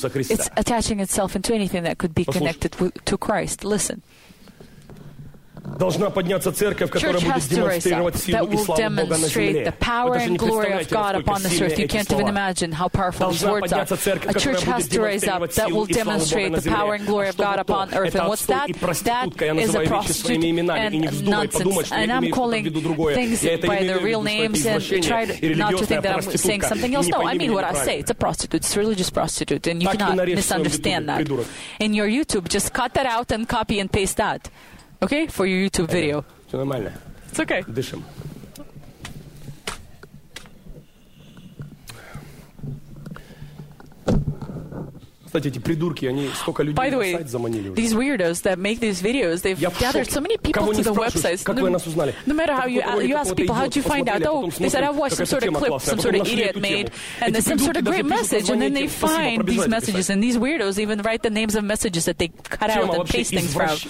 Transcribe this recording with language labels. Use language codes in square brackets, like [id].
[en] It's attaching itself into anything that could be connected to Christ. Listen. [ru] Должна подняться церковь, которая будет демонстрировать силу и славу Бога на земле. [en] The power and glory of God upon this earth. You can't even imagine how powerful these words are. A church has to rise up that will demonstrate the power and glory of God upon earth. And what's that? That is a prostitute and nonsense. And I'm calling things by their real names and try not to think that I'm saying something else. No, I mean what I say. It's a prostitute. It's a religious prostitute. And you cannot misunderstand that. In your YouTube, just cut that out and copy and paste that. Okay, for your YouTube video. [ru] Все нормально. [en] It's okay. [ru] Дышим. Кстати, эти придурки, они столько людей на сайт заманили. [en] By the way, these weirdos that make these videos, they've gathered so many people to the websites. [ru] Как вы нас узнали? [en] No matter how you ask people, how did you find out? Oh, they said, I've watched some sort of clip, some sort of idiot made, and there's some sort of great message, and then they find these messages, and these weirdos even write the names of messages that they cut out and paste things from.